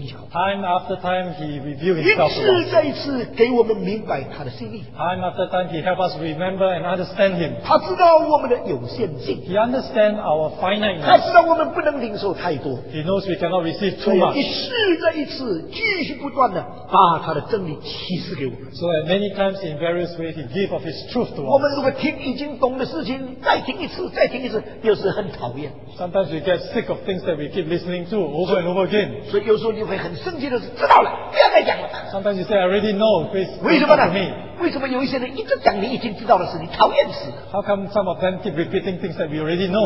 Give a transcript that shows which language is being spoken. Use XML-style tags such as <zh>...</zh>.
<en>Time after time, he revealed himself to us.</en> <zh>一次再一次给我们明白他的心意,</zh> <en>time after time, he helped us remember and understand him.</en> <zh>他知道我们的有限性,</zh> <en>he understands our finiteness.</en> <zh>他知道我们不能领受太多,</zh> <en>he knows we cannot receive too much.</en> <zh>一次再一次继续不断地把他的真理启示给我们。</zh> <en>So at many times in various ways he gave of his truth to us. Sometimes we get sick of things that we keep listening to over and over again. Sometimes you say, I already know, please how come some of them keep repeating things that we already know?</en>